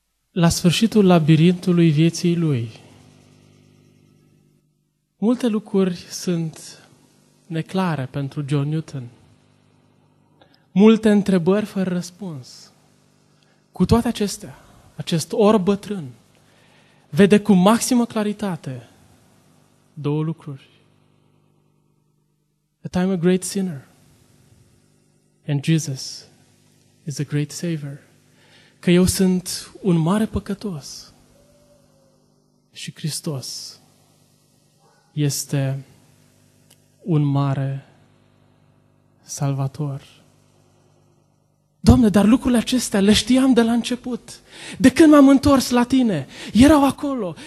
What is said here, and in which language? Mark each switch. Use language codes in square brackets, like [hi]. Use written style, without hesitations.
[ro] La sfârșitul labirintului vieții lui, multe lucruri sunt neclare pentru John Newton. Multe întrebări fără răspuns. Cu toate acestea, acest orb bătrân vede cu maximă claritate două lucruri. [en] That I'm a great sinner and Jesus is a great savior. [ro] Că eu sunt un mare păcătos și Hristos este un mare salvator. Doamne, dar lucrurile acestea le știam de la început. De când m-am întors la tine? Erau acolo.